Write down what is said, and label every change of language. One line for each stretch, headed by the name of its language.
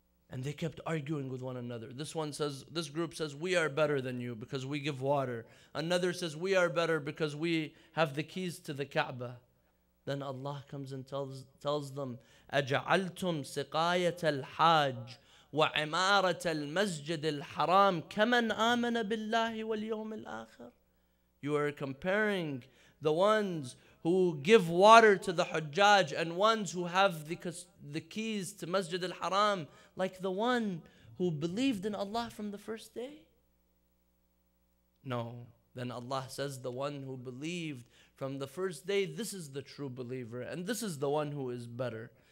English: And they kept arguing with one another. This group says, we are better than you because we give water. Another says, we are better because we have the keys to the Kaaba. Then Allah comes and tells them,
Arabic: أَجَعَلْتُمْ سِقَايَةَ الْحَاجِ وعمارة المسجد الحرام كمن آمن بالله واليوم الآخر.
English: You are comparing the ones who give water to the Hujjaj and ones who have the keys to Masjid al-Haram like the one who believed in Allah from the first day? No. Then Allah says, the one who believed from the first day, this is the true believer and this is the one who is better.